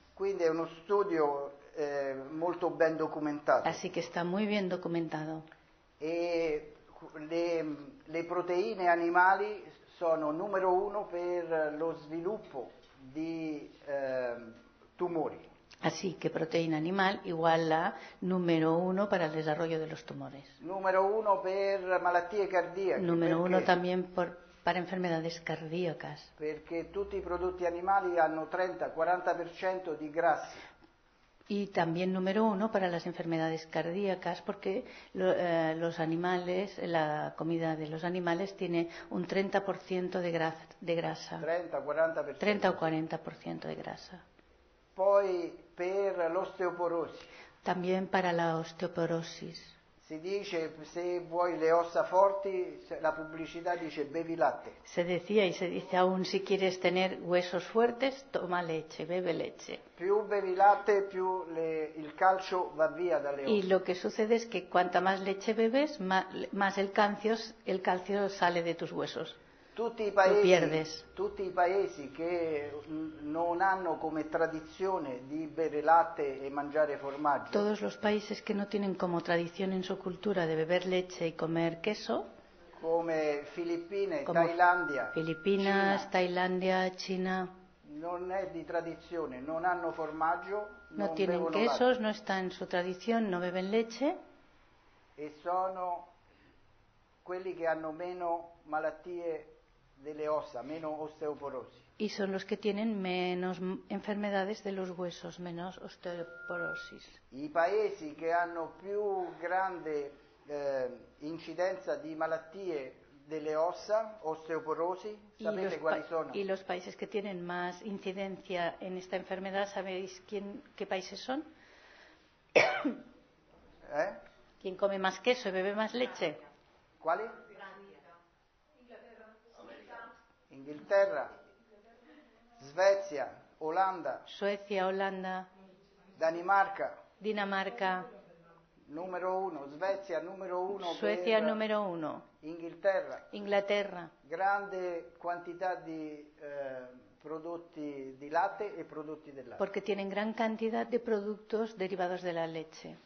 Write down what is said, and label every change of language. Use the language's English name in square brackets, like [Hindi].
[Italian] Quindi è uno studio molto ben documentato. [Spanish] Así que está muy bien documentado. [Italian] E le proteine animali sono numero uno per lo sviluppo di tumori. [Spanish] Así que proteína animal igual a número uno para el desarrollo de los tumores. [Italian] Numero uno per malattie cardiache. [Spanish] Numero uno también para enfermedades cardíacas. [Italian] Perché tutti i prodotti animali hanno 30-40% di grassi. [Spanish] Y también número uno para las enfermedades cardíacas, porque los animales, la comida de los animales tiene un 30% de grasa. 30 o 40% de grasa. [Italian] Poi per l'osteoporosi. [Spanish] También para la osteoporosis. [Italian] Si dice, se vuoi le ossa forti, la pubblicità dice bevi latte. [Spanish] Se decía y se dice aún, si quieres tener huesos fuertes, toma leche, bebe leche. [Italian] Più bevi latte, più il calcio va via dalle ossa. [Spanish] Y lo que sucede es que cuanta más leche bebes, más el calcio sale de tus huesos. [Italian] Tutti i paesi che non hanno come tradizione di bere latte e mangiare formaggio. [Spanish] Todos los países que no tienen como tradición en su cultura de beber leche y comer queso. [Italian] Come Filippine, Thailandia. [Spanish] Filipinas, Tailandia, China. [Italian] Non è di tradizione, non hanno formaggio. [Spanish] No tienen quesos, no está en su tradición, no beben leche. [Italian] E sono quelli che hanno meno malattie delle ossa, meno osteoporosi. [Spanish] Y son los que tienen menos enfermedades de los huesos, menos osteoporosis. [Italian] I paesi che hanno più grande incidenza di malattie delle ossa, osteoporosi, sapete quali sono? [Spanish] Y los países que tienen más incidencia en esta enfermedad, ¿sabéis qué países son? ¿Quién come más queso y bebe más leche? ¿Cuáles? [Italian] Inghilterra, Svezia, Olanda. [Spanish] Suecia, Olanda. [Italian] Danimarca. [Spanish] Dinamarca. [Italian] Numero uno, Svezia numero uno. [Spanish] Suecia numero uno. [Italian] Inghilterra. [Spanish] Inglaterra. [Italian] Grande quantità di prodotti di latte e prodotti del latte. [Spanish] Porque tienen gran cantidad de productos derivados de la leche.